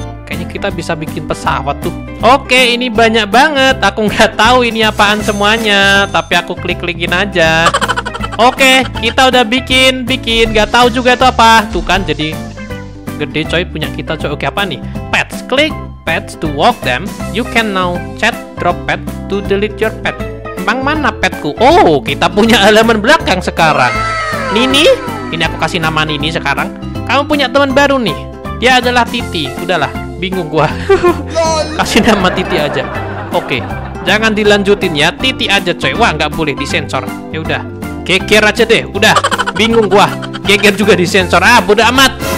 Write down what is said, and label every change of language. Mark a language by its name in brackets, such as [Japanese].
[Indonesian] Kayaknya kita bisa bikin pesawat tuh. Oke ini banyak banget. Aku gak tahu ini apaan semuanya. Tapi aku klik-klikin aja. Oke kita udah bikin. Bikin gak tahu juga itu apa. Tuh kan jadi gede coy punya kita coy. Oke apa nih? [English] Pets, klik pets to walk them. You can now chat drop pet to delete your pet. [Indonesian] Emang mana petku? Oh kita punya elemen belakang sekarang. Nini, ini aku kasih nama Nini sekarang. Kamu punya teman baru nih. Dia adalah Titi. Udahlah, bingung gua. Kasih nama Titi aja. Oke, jangan dilanjutin ya. Titi aja coy. Wah nggak boleh disensor. Ya udah, geger aja deh. Udah, bingung gua. Geger juga disensor. Ah bodo amat.